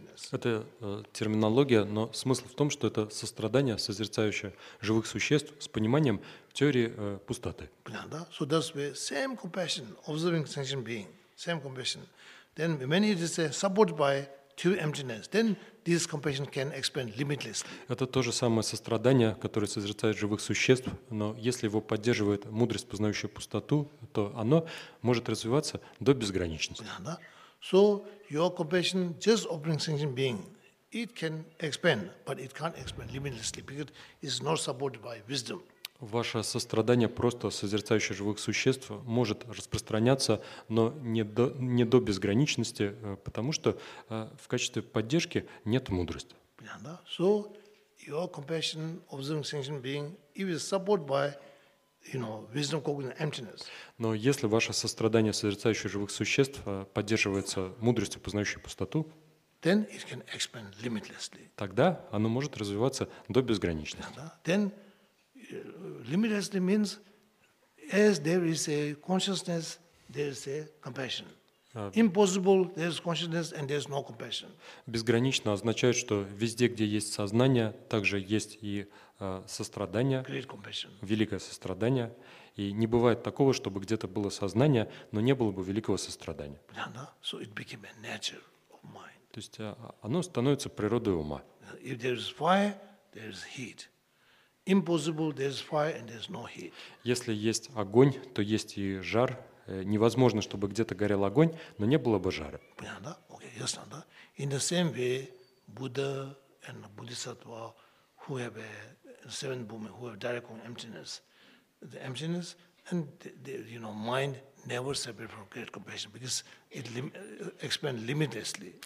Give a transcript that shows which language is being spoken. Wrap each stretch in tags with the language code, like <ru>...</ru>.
<ru>Это терминология, но смысл в том, что это сострадание, созерцающее живых существ с пониманием теории пустоты. Понятно?</ru> <en>So that's the same compassion, observing sentient being, same compassion. Then when it is supported by true emptiness, then this compassion can expand limitlessly.</en> <ru>Это то же самое сострадание, которое созерцает живых существ, но если его поддерживает мудрость, познающая пустоту, то оно может развиваться до безграничности. Понятно?</ru> <en>So your compassion just opening sentient being, it can expand, but it can't expand limitlessly because it's not supported by wisdom.</en> <ru>Ваше сострадание просто созерцающее живых существ может распространяться, но не до безграничности, потому что в качестве поддержки нет мудрости. Понятно?</ru> <en>So your compassion observing sentient being, it is supported by, you know, wisdom, cognition, emptiness.</en> <ru>Но если ваше сострадание созерцающее живых существ поддерживается мудростью, познающей пустоту,</ru> <en>then it can expand limitlessly.</en> <ru>Тогда оно может развиваться до безграничности. Понятно?</ru> <en>Then limitlessly means as there is a consciousness, there is a compassion. Impossible, there is consciousness and there is no compassion.</en> <ru>Безгранично означает, что везде, где есть сознание, также есть и сострадание,</ru> <en>great compassion.</en> <ru>Великое сострадание. И не бывает такого, чтобы где-то было сознание, но не было бы великого сострадания. Понятно?</ru> <en>So it became a nature of mind.</en> <ru>То есть оно становится природой ума.</ru> <en>If there is fire, there is heat. Impossible, there's fire and there's no heat.</en> <ru>Если есть огонь, то есть и жар. Невозможно, чтобы где-то горел огонь, но не было бы жара. Понятно? Okay, ясно, да?</ru> <en>In the same way, Buddha and Bodhisattva, who have a seven boom, who have direct on emptiness, the emptiness and the, you know, mind never separate from great compassion because it expand limitlessly.</en>